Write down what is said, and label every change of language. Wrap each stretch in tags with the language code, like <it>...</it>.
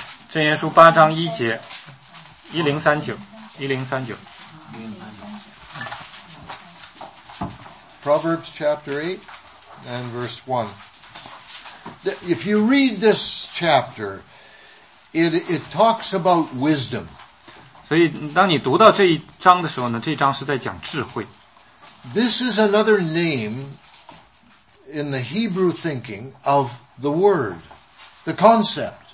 <zh>箴言书八章一节，一零三九，一零三九。</zh> <en>Proverbs chapter 8 and verse 1. If you read this chapter, it talks about wisdom.</en> <zh>所以当你读到这一章的时候呢，这一章是在讲智慧。</zh> <en>This is another name in the Hebrew thinking of the word, the concept.</en>